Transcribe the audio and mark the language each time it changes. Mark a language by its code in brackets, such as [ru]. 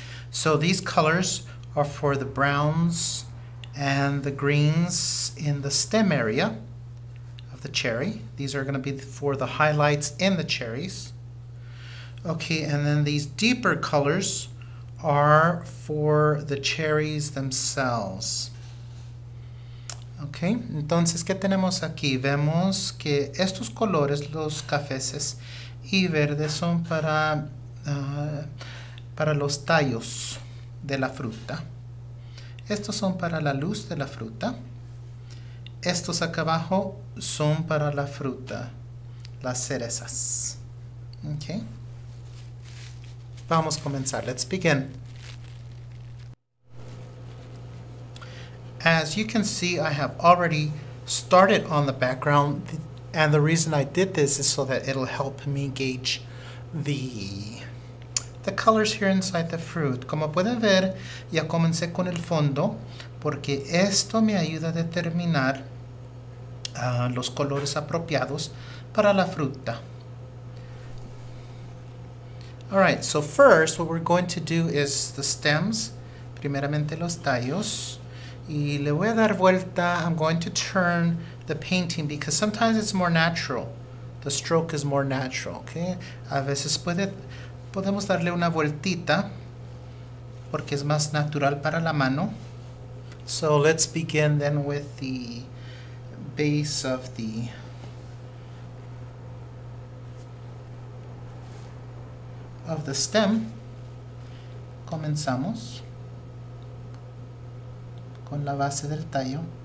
[en] So these colors are for the browns and the greens in the stem area of the cherry. These are going to be for the highlights in the cherries. Okay, and then these deeper colors are for the cherries themselves. Okay, [es] entonces, ¿qué tenemos aquí? Vemos que estos colores, los cafeces y verdes, son para los tallos de la fruta. Estos son para la luz de la fruta. Estos acá abajo son para la fruta, las cerezas. Okay. Vamos a comenzar. [en] Let's begin. As you can see, I have already started on the background, and the reason I did this is so that it'll help me gauge the colors here inside the fruit. [es] Como pueden ver, ya comencé con el fondo, porque esto me ayuda a determinar los colores apropiados para la fruta. [en] All right, so first, what we're going to do is the stems, [es] primeramente los tallos. Y le voy a dar vuelta. [en] I'm going to turn the painting because sometimes it's more natural. The stroke is more natural, okay? [es] A veces podemos darle una vueltita porque es más natural para la mano. [en] So let's begin then with the base of the... of the stem. [es] Comenzamos con la base del tallo.